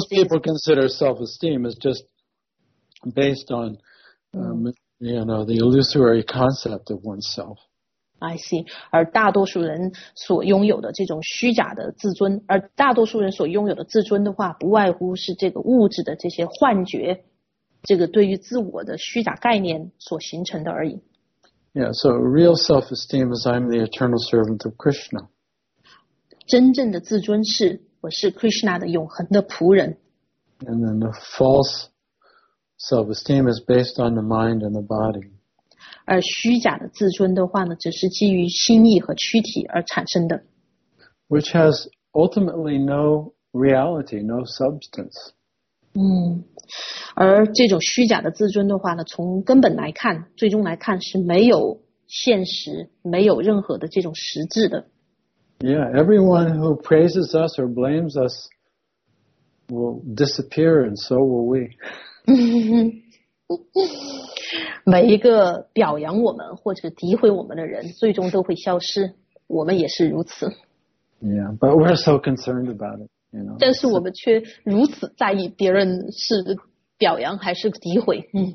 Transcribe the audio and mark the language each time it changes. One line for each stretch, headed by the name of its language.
English: Most people consider self-esteem is just based on you know, the illusory concept of oneself. I see.
Chinese: 而大多数人所拥有的这种虚假的自尊，而大多数人所拥有的自尊的话，不外乎是这个物质的这些幻觉，这个对于自我的虚假概念所形成的而已。
English: Yeah, so real self-esteem is I'm the eternal servant of Krishna.
Chinese: 真正的自尊是我是 Krishna 的永恒的仆人。
English: And then the false self-esteem is based on the mind and the body.
Chinese: 而虚假的自尊的话呢，只是基于心意和躯体而产生的。
English: Which has ultimately no reality, no substance.
Chinese: 嗯，而这种虚假的自尊的话呢，从根本来看，最终来看是没有现实，没有任何的这种实质的。
English: Yeah, everyone who praises us or blames us will disappear, and so will we.
Chinese: 每一个表扬我们或者诋毁我们的人，最终都会消失，我们也是如此。
English: Yeah, but we're so concerned about it. You know,
Chinese: 但是我们却如此在意别人是表扬还是诋毁。